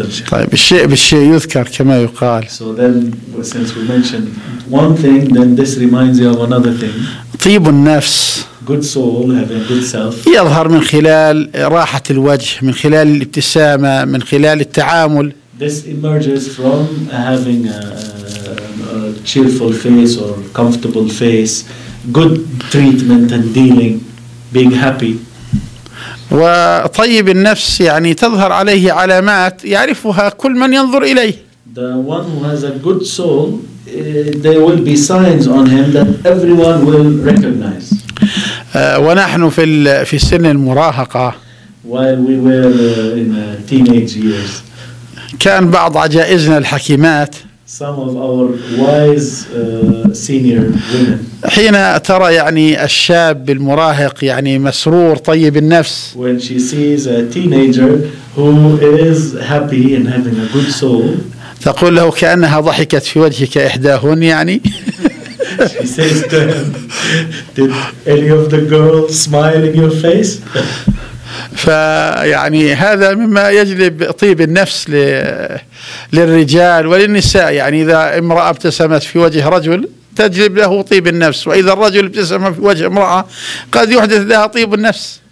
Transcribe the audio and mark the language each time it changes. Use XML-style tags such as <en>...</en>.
<ar>طيب الشيء بالشيء يذكر كما يقال.</ar> <en>So then, since we mentioned one thing, then this reminds you of another thing.</en> <ar>طيب النفس.</ar> <en>Good soul, having good self.</en> <ar>يظهر من خلال راحة الوجه, من خلال الابتسامة, من خلال التعامل.</ar> <en>This emerges from having a cheerful face or comfortable face, good treatment and dealing, being happy.</en> <ar>وطيب النفس يعني تظهر عليه علامات يعرفها كل من ينظر إليه.</ar> <en>The one who has a good soul, there will be signs on him that everyone will recognize.</en> <ar>ونحن في سن المراهقة.</ar> <en>While we were in teenage years.</en> <ar>كان بعض عجائزنا الحكيمات.</ar> <en>Some of our wise senior women.</en> <ar>حين ترى يعني الشاب المراهق يعني مسرور طيب النفس.</ar> <en>When she sees a teenager who is happy and having a good soul.</en> <ar>تقول له كأنها ضحكت في وجهك إحداهن يعني.</ar> <en>She says to him, did any of the girls smile in your face?</en> <ar>فيعني هذا مما يجلب طيب النفس للرجال وللنساء. يعني إذا امرأة ابتسمت في وجه رجل تجلب له طيب النفس, وإذا الرجل ابتسم في وجه امرأة قد يحدث لها طيب النفس.</ar>